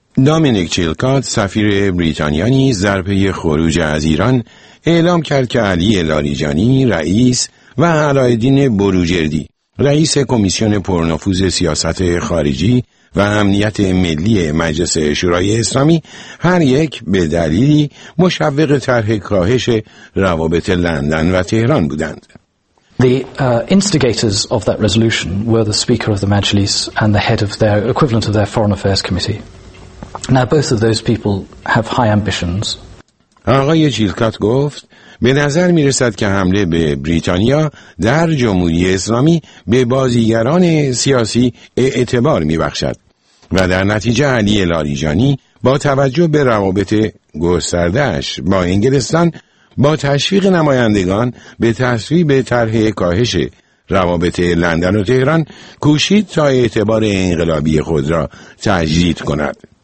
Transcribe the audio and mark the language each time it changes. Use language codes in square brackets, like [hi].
[fa] دامینیک چیلکات سفیر بریتانیا نیز در پی خروج از ایران اعلام کرد که علی لاریجانی رئیس و علایالدین بروجردی رئیس کمیسیون پرنفوذ سیاست خارجی و امنیت ملی مجلس شورای اسلامی هر یک به دلیلی مشوق طرح کاهش روابط لندن و تهران بودند. [en] The instigators of that resolution were the speaker of the Majlis and the head of their equivalent of their foreign affairs committee. Now both of those people have high ambitions. [fa] آقای جیلکات گفت به نظر می رسد که حمله به بریتانیا در جمهوری اسلامی به بازیگران سیاسی اعتبار می بخشد و در نتیجه علی لاریجانی با توجه به روابط گستردهش با انگلستان با تشویق نمایندگان به تصویب طرح کاهش روابط لندن و تهران کوشید تا اعتبار انقلابی خود را تجدید کند.